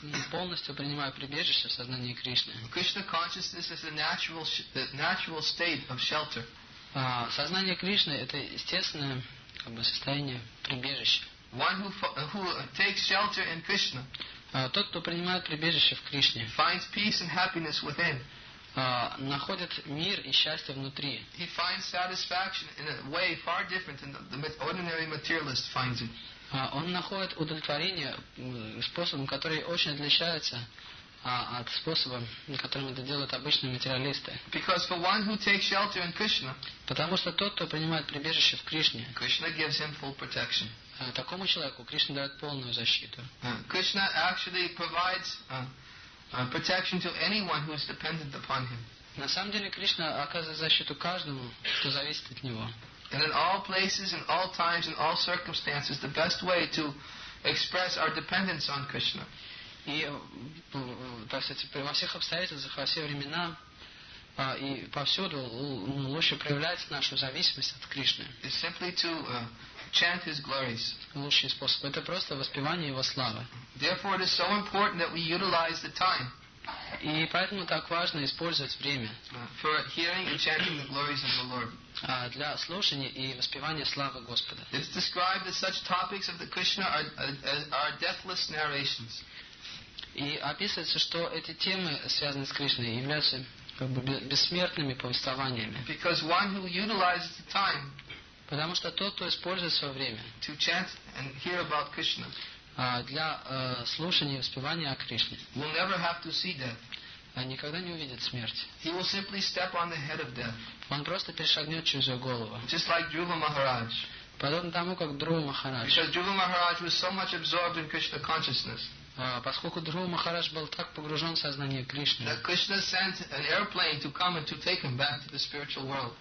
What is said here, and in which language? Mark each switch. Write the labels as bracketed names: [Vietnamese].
[Russian] Полностью принимая прибежище в сознании Кришны. [English] Krishna consciousness is the natural state of shelter. [Russian] Сознание Кришны это естественное состояние прибежища. [English] One who takes shelter in Krishna. [Russian] Тот, кто принимает прибежище в Кришне. [English] Finds peace and happiness within. [Russian] Находит мир и счастье внутри. [English] He finds satisfaction in a way far different than the ordinary materialist finds it. [Russian] Он находит удовлетворение способом, который очень отличается от способа, которым это делают обычные материалисты. [English] Because for one who takes shelter in Krishna, [Russian] потому что тот, кто принимает прибежище в Кришне, [English] Krishna gives him full protection. [Russian] Такому человеку Кришна дает полную защиту. [English] Krishna actually provides. Protection to anyone who is dependent upon him. [Russian] На самом деле Кришна оказывает защиту каждому, кто зависит от него. [English] And in all places, in all times, in all circumstances, the best way to express our dependence on Krishna. [Russian] И, так сказать, во всех обстоятельствах, во все времена и повсюду лучше проявлять нашу зависимость от Кришны. [English] Is simply to chant his glories. [Russian] Лучший способ. Это просто воспевание его славы. [English] Therefore, it is so important that we utilize the time. [Russian] И поэтому так важно использовать время. [English] For hearing and chanting the glories of the Lord. [Russian] Для слушания и воспевания славы Господа. [English] It is described as such topics of the Krishna are deathless narrations. [Russian] И описывается, что эти темы, связанные с Кришной, являются как бы бессмертными повествованиями. [English] Because one who utilizes the time. [Russian] Потому что тот, кто использует свое время [English] to chant and hear about Krishna, [Russian] для слушания и воспевания о Кришне, [English] will never have to see death. [Russian] Никогда не увидит смерть. [English] He will simply step on the head of death. [Russian] Он просто перешагнет через ее голову. [English] Just like Dhruva Maharaj. [Russian] Подобно тому, как Дхрува Махарадж. [English] Because Dhruva Maharaj was so much absorbed in Krishna consciousness. [Russian] Поскольку Дхрува Махарадж был так погружен в сознание Кришны, [English] that Krishna sent an airplane to come and to take him back to the spiritual world.